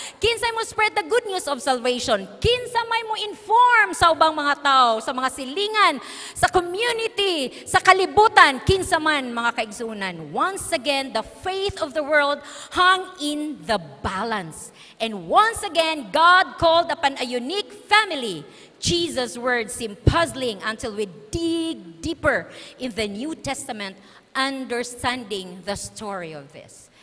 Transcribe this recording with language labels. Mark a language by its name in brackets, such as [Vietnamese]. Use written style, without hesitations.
[Cebuano] Kinsay mo [English] spread the good news of salvation? [Cebuano] Kinsa may mo inform sa ubang mga tao, sa mga silingan, sa community, sa kalibutan? Kinsa man mga kaigsoonan? [English] Once again, the faith of the world hung in the balance. And once again, God called upon a unique family. Jesus' words seem puzzling until we dig deeper in the New Testament, understanding the story of this.